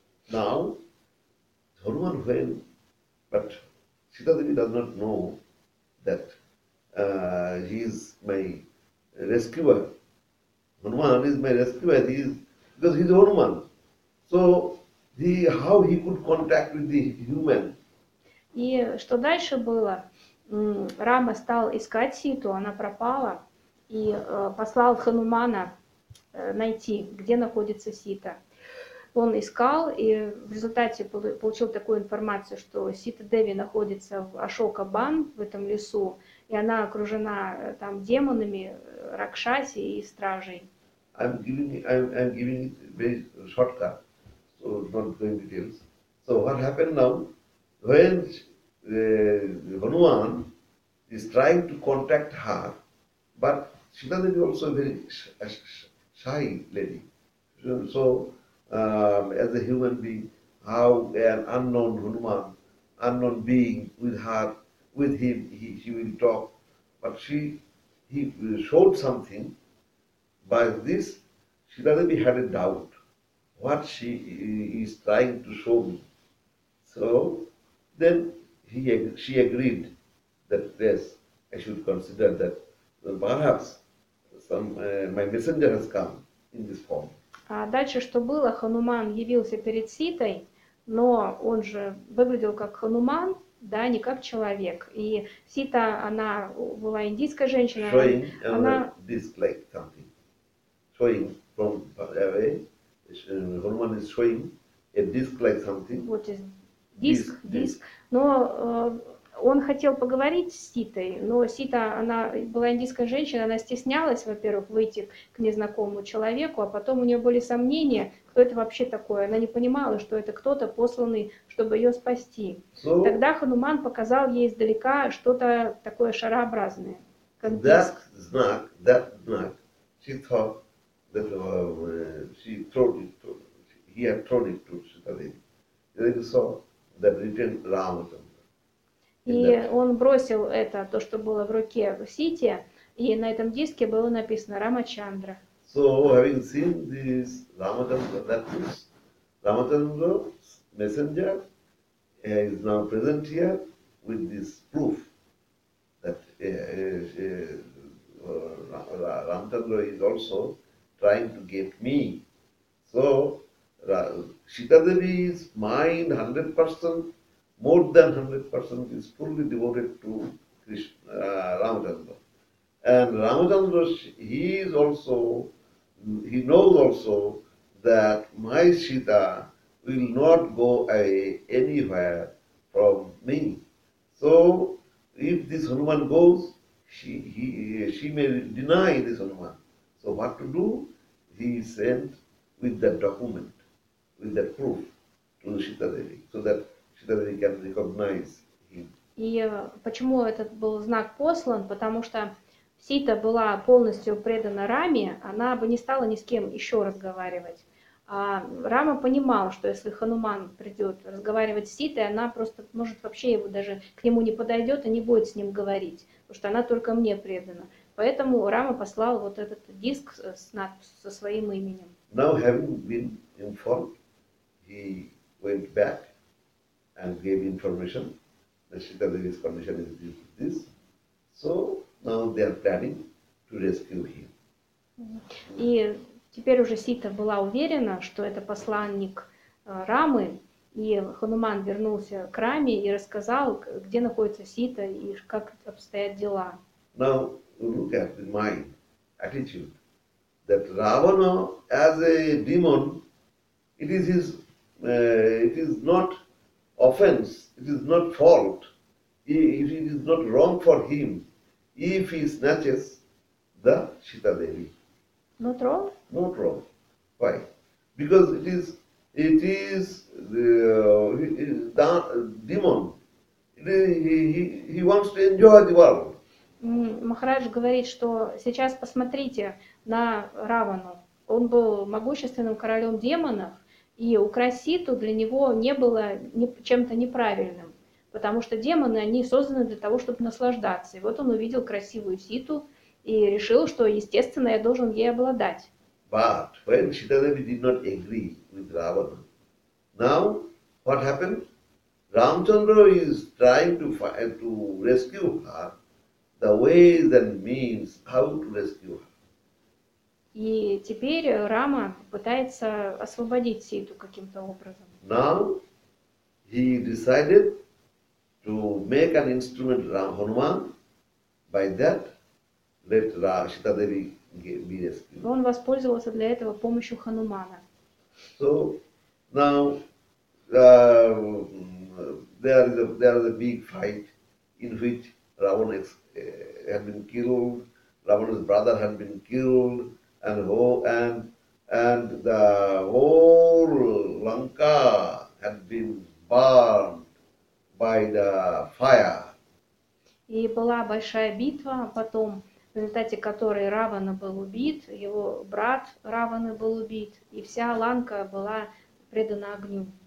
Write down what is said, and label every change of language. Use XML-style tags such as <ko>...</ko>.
<en>Now, Hanuman went, but Sita Devi does not know that he is my rescuer. Hanuman is my rescuer, because he is Hanuman. So, how he could contact with the human?</en> <ru>И что дальше было? Рама стал искать Ситу, она пропала. И послал Ханумана найти, где находится Сита. Он искал, и в результате получил такую информацию, что Сита Деви находится в Ашокабан, в этом лесу, и она окружена там демонами, ракшаси и стражей.</ru> <en>I'm giving it very shortcut, so not going into details. So what happened now? When Hanuman is trying to contact her, but Sita Devi also a very shy lady. So, as a human being, how an unknown Hanuman, unknown being with her, with him, she will talk. But he showed something. By this, Sita Devi had a doubt what she is trying to show me. So then she agreed that yes, I should consider that perhaps my messenger has come in this form.</en> <ru>А дальше что было? Хануман явился перед Ситой, но он же выглядел как Хануман, да, не как человек. И Сита, она была индийская женщина.</ru> <en>Showing</en> <ru>она</ru> <en>display something. Showing from away. Хануман is showing a display something. What is disc.</en> <ru>Но он хотел поговорить с Ситой, но Сита, она была индийская женщина, она стеснялась, во-первых, выйти к незнакомому человеку, а потом у нее были сомнения, кто это вообще такое. Она не понимала, что это кто-то посланный, чтобы ее спасти.</ru> <en>So,</en> <ru>тогда Хануман показал ей издалека что-то такое шарообразное, как диск.</ru> <en>That</en> <ru>знак,</ru> <en>she thought that she thrown it to, he had thrown it to Sita Devi. They saw the written Rama.</en> <ru>И он бросил это, то, что было в руке в Сите, и на этом диске было написано Рамачандра.</ru> <en>So, having seen this Ramachandra, that is, Ramachandra's messenger is now present here with this proof that Ramchandra is also trying to get me. So, Sita Devi's mind 100%, more than 100% is fully devoted to Krishna, Ramchandra. And Ramchandra, he is also, he knows also that my Sita will not go away anywhere from me. So, if this Hanuman goes, she may deny this Hanuman. So, what to do? He is sent with that document, with that proof to Sita Devi, so that Sita Devi can recognize him.</en> <ru>И почему этот был знак послан? Потому что Сита была полностью предана Раме, она бы не стала ни с кем еще разговаривать. А Рама понимал, что если Хануман придет разговаривать с Ситой, она просто может вообще его даже к нему не подойдет и не будет с ним говорить, потому что она только мне предана. Поэтому Рама послал вот этот диск с со своим именем.</ru> <en>Now having been informed, he went back and gave information that Sita Devi's condition is due to this. So now they are planning to rescue him.</en> <ru>И теперь уже Сита была уверена, что это посланник Рамы, и Хануман вернулся к Раме и рассказал, где находится Сита и как обстоят дела.</ru> <en>Now, look at the mind, attitude, that Ravana as a demon, it is his, it is not offense, it is not fault, it is not wrong for him if he snatches the Sita Devi. Not wrong? Not wrong. Why? Because it is the demon. He wants to enjoy the world.</en> <ru>Махарадж говорит, что сейчас посмотрите на Равану. Он был могущественным королем демонов, и украсть Ситу для него не было чем-то неправильным. Потому что демоны, они созданы для того, чтобы наслаждаться. И вот он увидел красивую Ситу и решил, что, естественно, я должен ей обладать.</ru> <en>But when Sita Devi did not agree with Ravana, now what happened? Ramchandra is trying to find, to rescue her, the ways and means how to rescue her.</en> <ru>И теперь Рама пытается освободить Ситу каким-то образом.</ru> <en>Now he decided to make an instrument Hanuman by that. Let Sita Devi be rescued.</en> <ru>Он воспользовался для этого помощью Ханумана.</ru> <en>So now there is a big fight in which Ravana had been killed, Ravana's brother had been killed, and the whole Lanka had been burned by the fire.</en> <ru>И была большая битва потом. В результате которой Равана был убит, его брат Раваны был убит, и вся Ланка была предана огню.</ru>